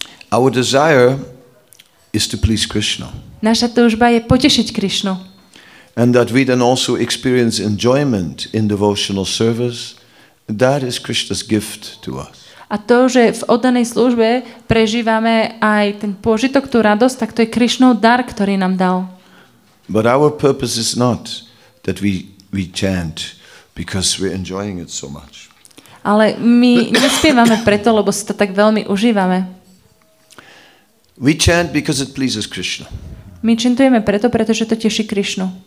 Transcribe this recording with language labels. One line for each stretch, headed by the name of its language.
English: Our desire is to please Krishna.
Slovak: Naša túžba je potešiť Krishnu.
English: And that we then also experience enjoyment in devotional service, that is Krishna's gift to us.
Slovak: A to, že v oddanej službe prežívame aj ten pôžitok, tú radosť, tak to je Krišnov dar, ktorý nám dal.
English: But our purpose is not that we chant because we're enjoying it so much.
Slovak: Ale my nespievame preto, lebo si to tak veľmi užívame.
English: We chant because it pleases Krishna.
Slovak: My čintujeme preto, pretože to teší Krišnu.